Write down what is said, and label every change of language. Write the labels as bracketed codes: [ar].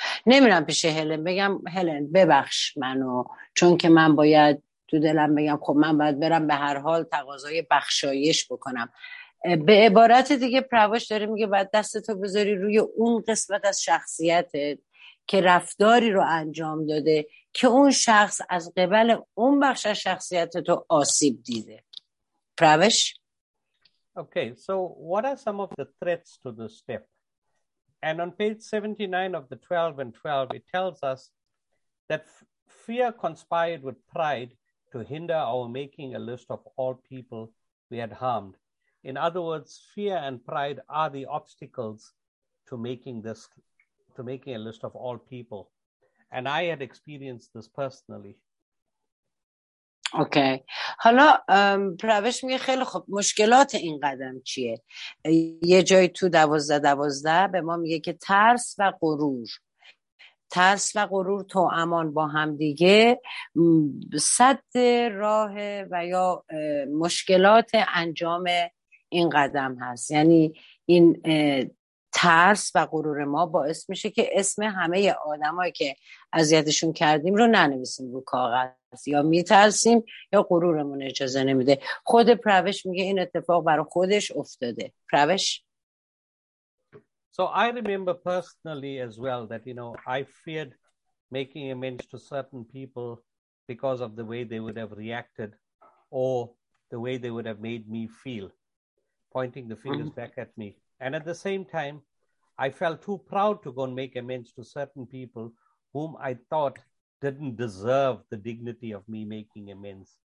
[fa] نمیرم پیش هلن بگم هلن ببخش منو، چون که من باید تو دلم بگم خب من باید برم به هر حال تقاضای بخشایش بکنم. به عبارت دیگه پرواش داره میگه باید دستتو بذاری روی اون قسمت از شخصیتت که رفتاری رو انجام داده که اون شخص از قبل اون بخش از شخصیتتو آسیب دیده. پرواش [en] Okay, so what are some of the threats to this step? And on page 79 of the 12 and 12, it tells us that fear conspired with pride to hinder our making a list of all people we had harmed. In other words, fear and pride are the obstacles to making this, to making a list of all people. And I had experienced this personally. Okay okay. [fa] حالا پروش میگه خیلی خوب مشکلات این قدم چیه؟ یه جایی تو دوازده دوازده به ما میگه که ترس و غرور، ترس و غرور تو امان با هم دیگه صد راه و یا مشکلات انجام این قدم هست. یعنی این ترس و غرور ما باعث میشه که اسم همه آدمایی که اذیتشون کردیم رو ننویسیم رو کاغذ، یا میترسیم یا غرورمون اجازه نمیده. خود پروش میگه این اتفاق برای خودش افتاده. پروش [en] So I remember personally as well that you know I feared making amends to certain people because of the way they would have reacted or the way they would have made me feel, pointing the fingers back at me. And at the same time, I felt too proud to go and make amends to certain people whom I thought didn't deserve the dignity of me making amends.